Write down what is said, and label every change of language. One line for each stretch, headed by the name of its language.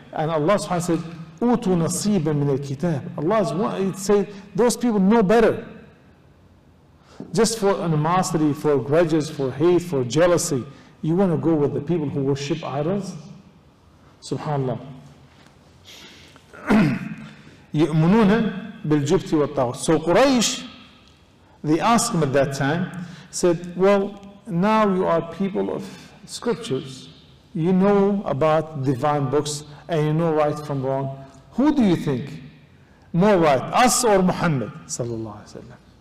English: And Allah subhanahu wa ta'ala said,
Arabic: "Utu nasiban min al-kitab."
English: Allah said, those people know better. Just for animosity, for grudges, for hate, for jealousy, you want to go with the people who worship idols? SubhanAllah.
Arabic: يؤمنون بالجبت والطاغوت.
English: So Quraysh, they asked him at that time, said, well, now you are people of scriptures. You know about divine books and you know right from wrong. Who do you think more right, us or Muhammad sallallahu alaihi wasallam?